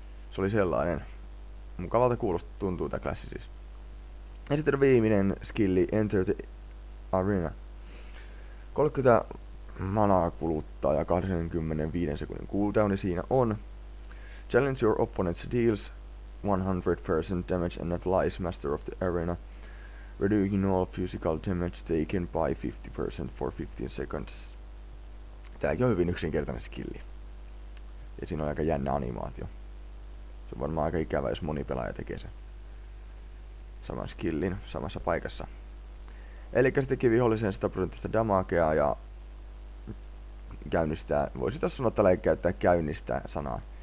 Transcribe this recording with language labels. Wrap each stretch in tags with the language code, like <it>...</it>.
<fi>Se oli sellainen. Mukavalta kuulosta tuntuu tää klassi siis. Ja sitten viimeinen skilli, Enter the Arena. 30 manaa kuluttaa ja 25 sekunnin cooldowni siinä on.</fi> <en>Challenge your opponent's deals 100% damage and applies Master of the Arena, reducing all physical damage taken by 50% for 15 seconds.</en> <fi>Tääkin on hyvin yksinkertainen skilli. Ja siinä on aika jännä animaatio. Se on varmaan aika ikävä, jos moni pelaaja tekee sen saman skillin samassa paikassa. Eli se tekee vihollisen 100% damagea ja käynnistää, voisi tässä sanoa tällä käyttää käynnistää sanaa.</fi>